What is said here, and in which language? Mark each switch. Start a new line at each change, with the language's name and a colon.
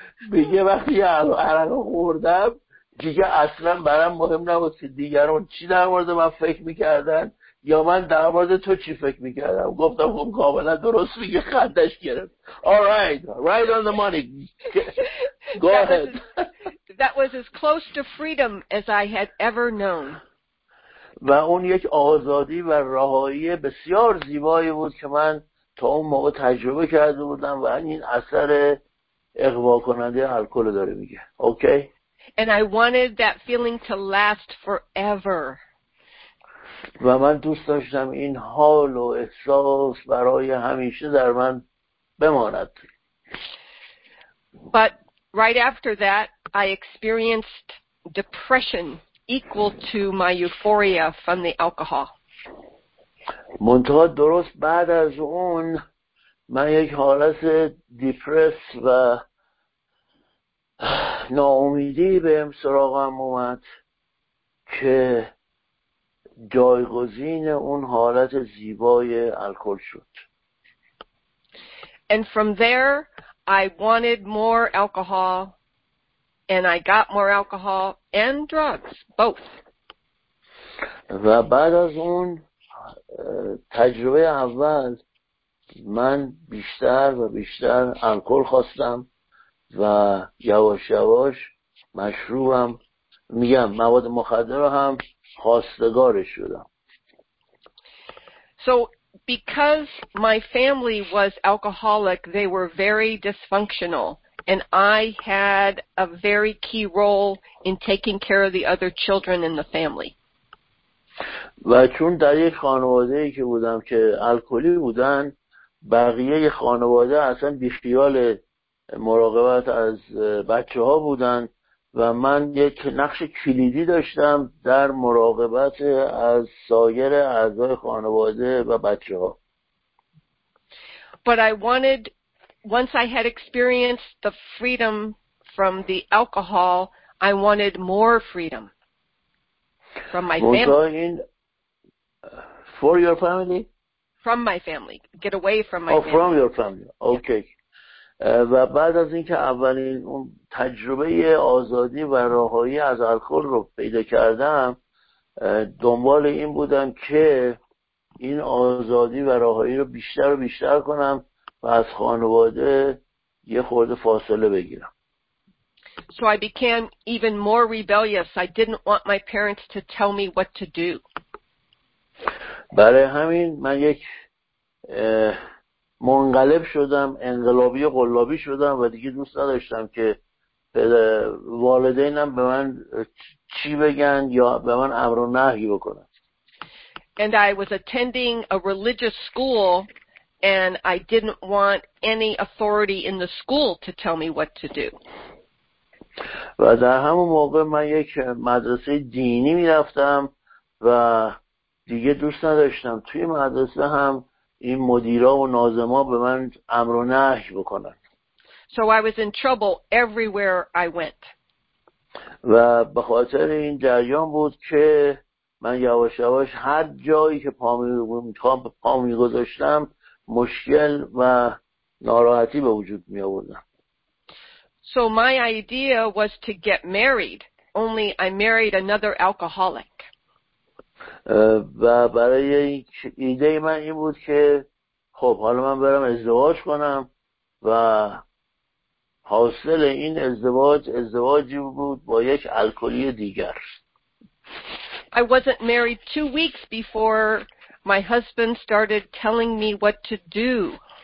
Persian: میگه وقتی عرق خوردم دیگه اصلا برام مهم نبود که دیگران چی در مورد من فکر میکردن یا من در مورد تو چی فکر میکردم. گفتم خب کاملا درست میگه، خندش گرفت.
English: Alright, right on the money. Go ahead. That was as close to freedom as I had ever known.
Persian: و اون یک آزادی و رهایی بسیار زیبایی بود که من تا اون موقع تجربه کرده بودم و این اثر اغوا کننده الکل داره میگه.
English: Okay. And I wanted that feeling to last forever.
Persian: و من دوست داشتم این حال و احساس برای همیشه در من بماند.
English: But right after that, I experienced depression equal to my euphoria from the alcohol.
Persian: منتها درست بعد از اون من یک حالت دیپرس و ناامیدی به سراغم اومد که جایگزین اون حالت زیبای الکل شد.
English: And from there I wanted more alcohol and I got more alcohol and drugs both.
Persian: و بعد از اون تجربه اول من بیشتر و بیشتر الکل خواستم و یواش یواش مشروبم، میگم مواد مخدر رو هم خواستگارش شدم.
English: So because my family was alcoholic, they were very dysfunctional and I had a very key role in taking care of the other children in the family.
Persian: و چون در یک خانواده ای که بودم که الکلی بودن، بقیه خانواده اصلا بیخیال مراقبت از بچه ها بودن و من یک نقش کلیدی داشتم در مراقبت از سایر اعضای خانواده و بچه ها.
English: But I wanted, once I had experienced the freedom from the alcohol, I wanted more freedom from my family. For your family? From my family. Get away from my family. Oh, from your family. Okay. Yeah.
Persian: و بعد از اینکه اولین اون تجربه آزادی و رهایی از الکل رو پیدا کردم، دنبال این بودم که این آزادی و رهایی رو بیشتر و بیشتر کنم و از خانواده یه خورده فاصله بگیرم.
English: So I became even more rebellious. I didn't want my parents to tell me what to do.
Persian: برای همین من یک منقلب شدم، انقلابی و قلابی شدم و دیگه دوست نداشتم که والدینم به من چی بگن یا به من امر و نهی بکنن.
English: And I was attending a religious school and I didn't want any authority in the school to tell me what to do.
Persian: و در همون موقع من یک مدرسه دینی می‌رفتم و دیگه دوست نداشتم توی مدرسه هم این مدیرا و ناظما به من امر و نهی بکنن.
English: So I was in trouble everywhere I went.
Persian: و به خاطر این جریان بود که من یواش یواش هر جایی که پامی گذاشتم مشکل و ناراحتی به وجود می آوردم.
English: So my idea was to get married, only I married another alcoholic.
Persian: و برای ایده من این بود که خب حالا من برم ازدواج کنم و حاصل این ازدواج ازدواجی بود با یک الکلی دیگر.
English: I wasn't married 2 weeks before my husband started telling me what to do.